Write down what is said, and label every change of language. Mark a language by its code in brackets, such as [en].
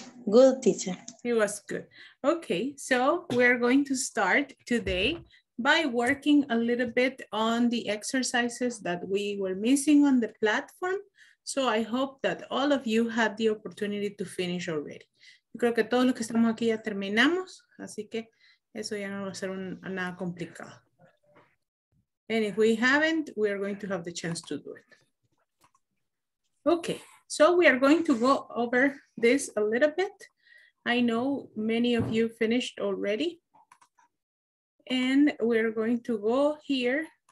[en] Good, teacher. It was good. Okay, so we're going to start today by working a little bit on the exercises that we were missing on the platform. So I hope that all of you had the opportunity to finish already. [es] Creo que todos los que estamos aquí ya terminamos, así que eso ya no va a ser nada complicado. [en] And if we haven't, we are going to have the chance to do it. Okay, so we are going to go over this a little bit. I know many of you finished already. And we're going to go here.